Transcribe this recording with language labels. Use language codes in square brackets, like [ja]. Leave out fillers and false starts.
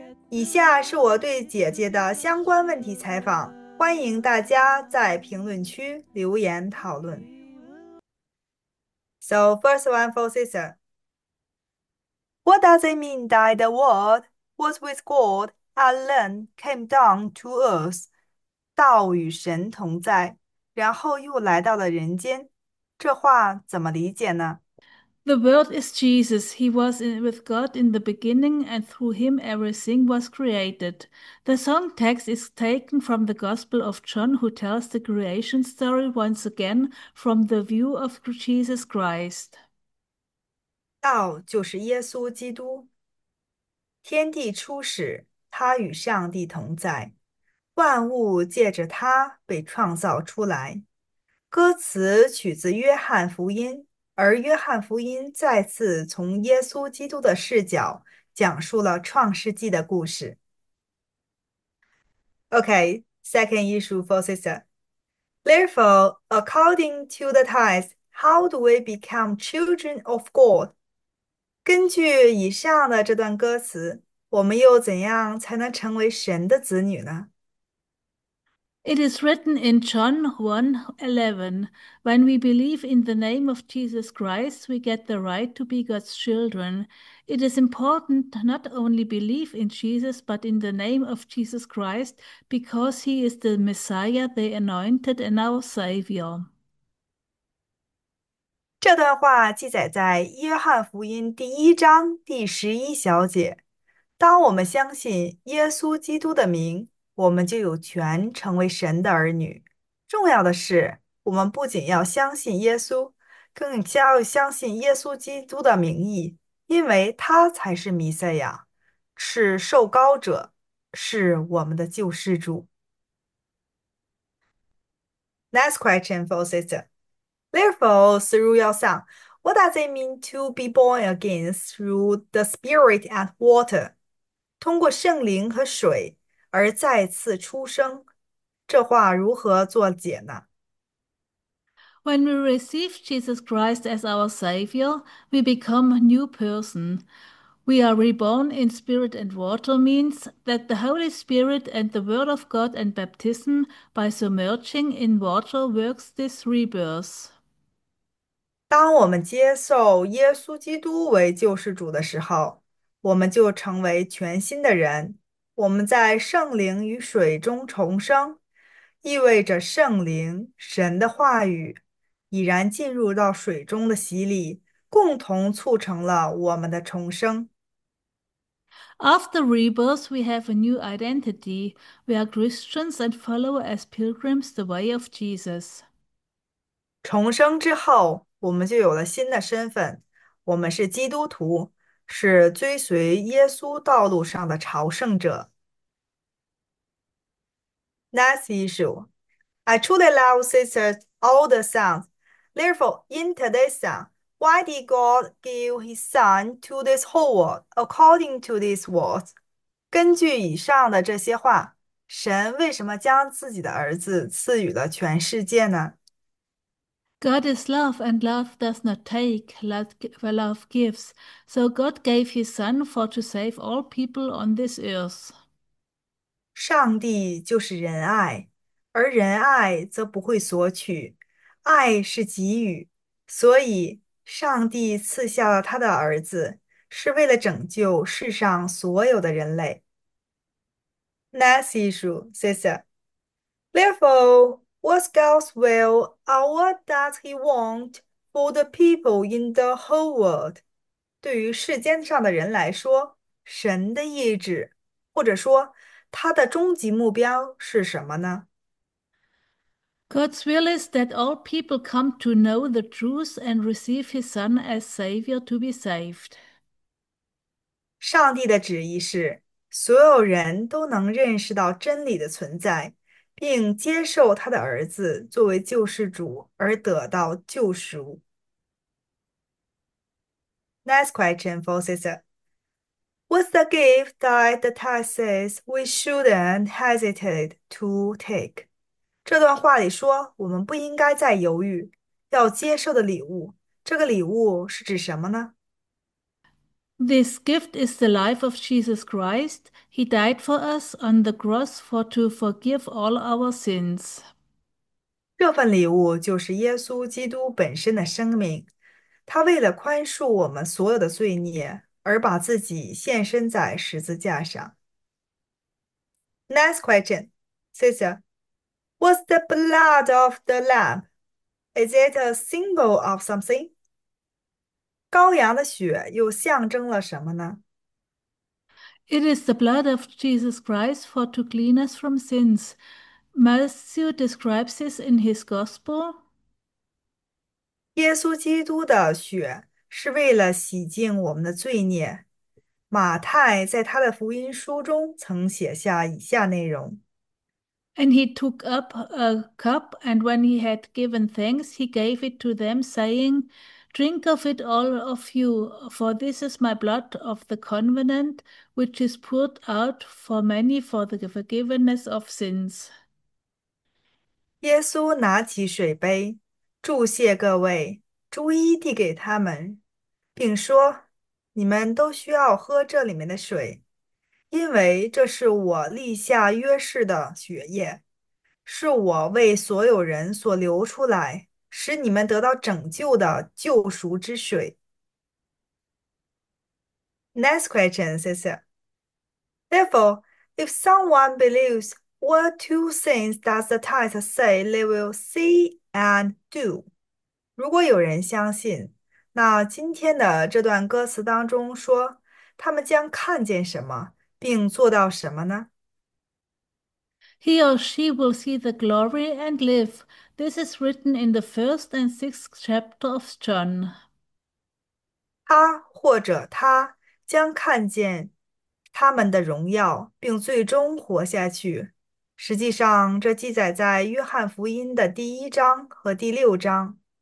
[zh] 以下是我对姐姐的相关问题采访，欢迎大家在评论区留言讨论。 [en] So first one for sister. What does it mean that the word was with God and then came down to earth? [zh] 道与神同在，然后又来到了人间。这话怎么理解呢？ [en] The word is Jesus. He was with God in the beginning, and through him everything was created. The song text is taken from the Gospel of John, who tells the creation story once again from the view of Jesus Christ. [zh] 道就是耶稣基督。天地初始，他与上帝同在，万物借着他被创造出来。歌词取自约翰福音，而约翰福音再次从耶稣基督的视角讲述了创世纪的故事。 [en] Okay, second issue for sister. Therefore, according to the text, how do we become children of God? [zh] 根据以上的这段歌词，我们又怎样才能成为神的子女呢？ [en] It is written in John 1:11, when we believe in the name of Jesus Christ, we get the right to be God's children. It is important to not only believe in Jesus, but in the name of Jesus Christ, because he is the Messiah, the Anointed, and our Savior. [zh] 这段话记载在《约翰福音》第一章第十一小节。当我们相信耶稣基督的名，我们就有权成为神的儿女。重要的是，我们不仅要相信耶稣，更加要相信耶稣基督的名义，因为他才是弥赛亚，是受膏者，是我们的救世主。 [en] Next question for sister. Therefore, through your son, what does it mean to be born again through the Spirit and water? [zh] 通过圣灵和水而再次出生，这话如何做解呢？ [en] When we receive Jesus Christ as our Savior, we become a new person. We are reborn in spirit and water means that the Holy Spirit and the Word of God and baptism by submerging in water works this rebirth. [zh] 当我们接受耶稣基督为救世主的时候，我们就成为全新的人。我们在圣灵与水中重生，意味着圣灵、神的话语已然进入到水中的洗礼，共同促成了我们的重生。 [en] After rebirth, we have a new identity. We are Christians and follow as pilgrims the way of Jesus. [zh] 重生之后，我们就有了新的身份，我们是基督徒，是追随耶稣道路上的朝圣者。 [en] Next issue. I truly love sister's older son. Therefore, in today's song, why did God give his son to this whole world according to these words? [zh] 根据以上的这些话，神为什么将自己的儿子赐予了全世界呢？ [en] God is love, and love does not take, love gives. So God gave his son for to save all people on this earth. [zh] 上帝就是仁爱，而仁爱则不会索取，爱是给予，所以上帝赐下了他的儿子，是为了拯救世上所有的人类。 [en] Next issue, sister. Therefore, what's God's will, or what does he want for the people in the whole world? [zh] 对于世间上的人来说，神的意志，或者说，他的终极目标是什么呢？ [en] God's will is that all people come to know the truth and receive his son as savior to be saved. [zh] 上帝的旨意是，所有人都能认识到真理的存在，并接受他的儿子作为救世主而得到救赎。 [en] Next question for Sister. What's the gift that the text says we shouldn't hesitate to take? [zh] 这段话里说，我们不应该再犹豫，要接受的礼物，这个礼物是指什么呢？ [en] This gift is the life of Jesus Christ. He died for us on the cross to forgive all our sins. [zh] 这份礼物就是耶稣基督本身的生命。他为了宽恕我们所有的罪孽，而把自己献身在十字架上。 [en] Next question, Sister, what's the blood of the lamb? Is it a symbol of something? [zh] 羔羊的血又象征了什么呢？ [en] It is the blood of Jesus Christ for to clean us from sins. Matthew describes this in his gospel. [zh] 耶稣基督的血是为了洗净我们的罪孽。马太在他的福音书中曾写下以下内容： [en] And he took up a cup, and when he had given thanks, he gave it to them, saying, Drink of it, all of you, for this is my blood of the covenant, which is poured out for many for the forgiveness of sins. [zh] 耶稣拿起水杯。祝谢各位，逐一递给他们，并说：“你们都需要喝这里面的水，因为这是我立下约誓的血液，是我为所有人所流出来，使你们得到拯救的救赎之水。 [en] ” Next question, sister. Therefore, if someone believes, what two things does the text say they will see and do? [zh] 如果有人相信，那今天的这段歌词当中说，他们将看见什么，并做到什么呢？ [en] He or she will see the glory and live. This is written in the first and sixth chapter of John. [zh] 他或者她将看见他们的荣耀，并最终活下去。实际上，这记载在《约翰福音》的第一章和第六章。